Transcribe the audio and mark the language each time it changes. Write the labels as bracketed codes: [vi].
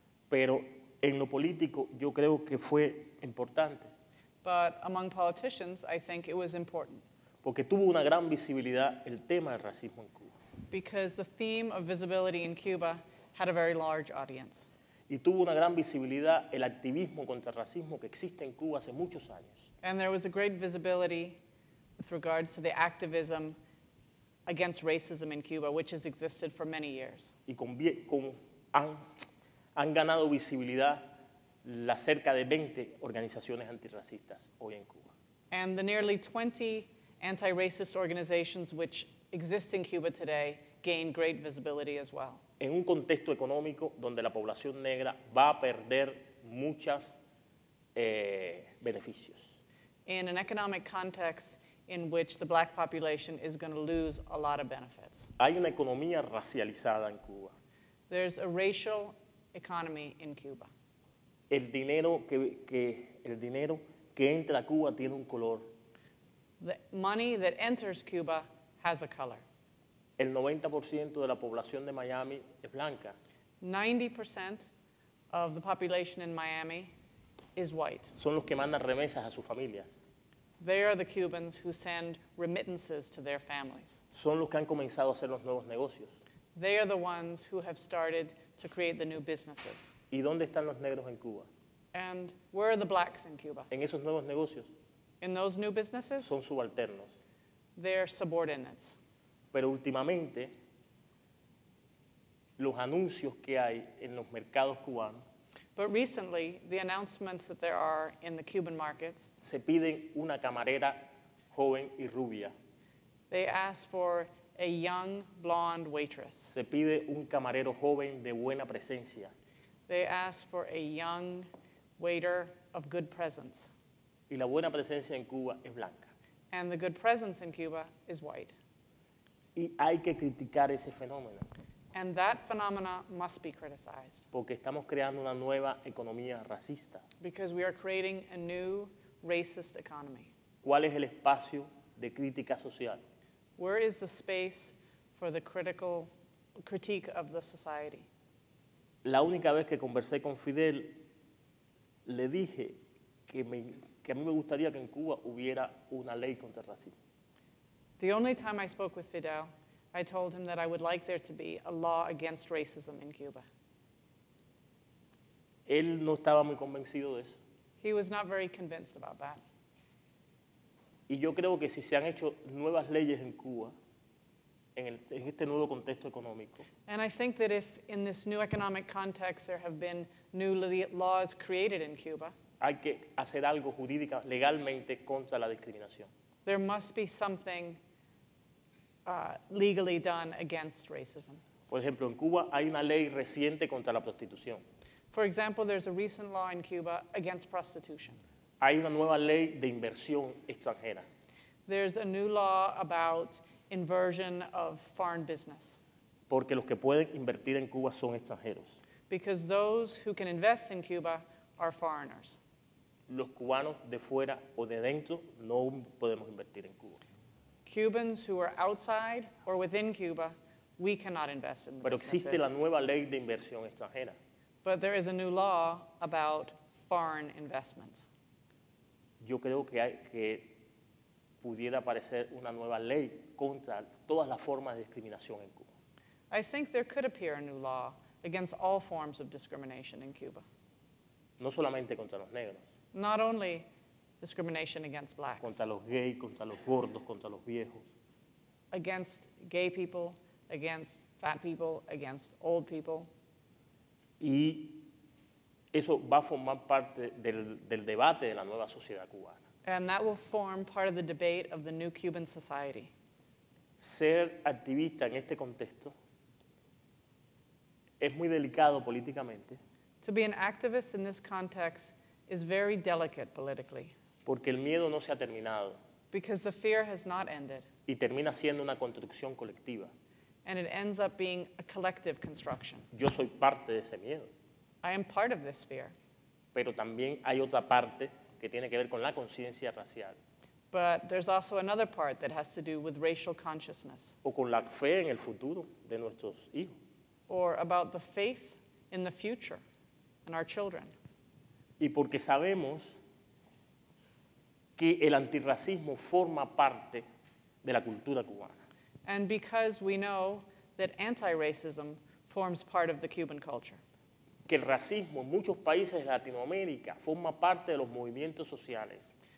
[es] Pero en lo político, yo creo que fue importante. [en] But among politicians, I think it was important. [es] Porque tuvo una gran visibilidad el tema del racismo en Cuba. [en] Because the theme of visibility in Cuba had a very large audience. [es] Y tuvo una gran visibilidad el activismo contra el racismo que existe en Cuba hace muchos años. [en] And there was a great visibility with regards to the activism against racism in Cuba, which has existed for many years. [es] Y han ganado visibilidad las cerca de 20 organizaciones antirracistas hoy en Cuba. [en] And the nearly 20 anti-racist organizations which exist in Cuba today gain great visibility as well. [es] En un contexto económico donde la población negra va a perder muchas beneficios. [en] In an economic context in which the black population is going to lose a lot of benefits. [es] Hay una economía racializada en Cuba. [en] There's a racial economy in Cuba. [es] El dinero que entra a Cuba tiene un color. [en] The money that enters Cuba has a color. [es] El 90% de la población de Miami es blanca. [en] 90% of the population in Miami is white. [es] Son los que mandan remesas a sus familias. [en] They are the Cubans who send remittances to their families. [es] Son los que han comenzado a hacer los nuevos negocios. [en] They are the ones who have started to create the new businesses. [es] ¿Y dónde están los negros en Cuba? [en] And where are the blacks in Cuba? [es] En esos nuevos negocios. [en] In those new businesses? [es] Son subalternos. [en] They're subordinates. [es] Pero últimamente, los anuncios que hay en los mercados cubanos. [en] But recently, the announcements that there are in the Cuban markets. [es] Se piden una camarera joven y rubia. [en] They ask for a young blonde waitress. [es] Se pide un camarero joven de buena presencia. [en] They ask for a young waiter of good presence. [es] Y la buena presencia en Cuba es blanca. [en] And the good presence in Cuba is white. [es] Y hay que criticar ese fenómeno. [en] And that phenomena must be criticized. [es] Porque estamos creando una nueva economía racista. [en] Because we are creating a new racist economy. [es] ¿Cuál es el espacio de crítica social? [en] Where is the space for the critique of the society? [es] La única vez que conversé con Fidel, le dije que a mí me gustaría que en Cuba hubiera una ley contra el racismo. [en] The only time I spoke with Fidel, I told him that I would like there to be a law against racism in Cuba. [es] Él no estaba muy convencido de eso. [en] He was not very convinced about that. [es] Y yo creo que si se han hecho nuevas leyes en Cuba, en este nuevo contexto económico. [en] And I think that if in this new economic context there have been new laws created in Cuba, [es] hay que hacer algo jurídica, legalmente contra la discriminación. [en] There must be something legally done against racism. [es] Por ejemplo, en Cuba hay una ley reciente contra la prostitución. [en] For example, there's a recent law in Cuba against prostitution. [es] Hay una nueva ley de inversión extranjera. [en] There's a new law about inversion of foreign business. [es] Porque los que pueden invertir en Cuba son extranjeros. [en] Because those who can invest in Cuba are foreigners. [es] Los cubanos de fuera o de dentro no podemos invertir en Cuba. [en] Cubans who are outside or within Cuba, we cannot invest in the [es] Pero existe la nueva ley de inversión extranjera. [en] But there is a new law about foreign investments. [es] Yo creo que hay que pudiera aparecer una nueva ley contra todas las formas de discriminación en Cuba. [en] I think there could appear a new law against all forms of discrimination in Cuba. [es] No solamente contra los negros. [en] Not only discrimination against blacks. [es] Contra los gays, contra los gordos, contra los viejos. [en] Against gay people, against fat people, against old people. [es] Y eso va a formar parte del debate de la nueva sociedad cubana. [en] And that will form part of the debate of the new Cuban society. [es] Ser activista en este contexto es muy delicado políticamente. [en] To be an activist in this context is very delicate politically. [es] Porque el miedo no se ha terminado. [en] Because the fear has not ended. [es] Y termina siendo una construcción colectiva. [en] And it ends up being a collective construction. [es] Yo soy parte de ese miedo. [en] I am part of this fear. [es] Pero también hay otra parte que tiene que ver con la conciencia racial. [en] But there's also another part that has to do with racial consciousness. [es] O con la fe en el futuro de nuestros hijos. [en] Or about the faith in the future and our children. [es] Y porque sabemos que el antirracismo forma parte de la cultura cubana. [en] And because we know that anti-racism forms part of the Cuban culture. [es] Que el racismo en muchos países de Latinoamérica forma parte de los movimientos sociales.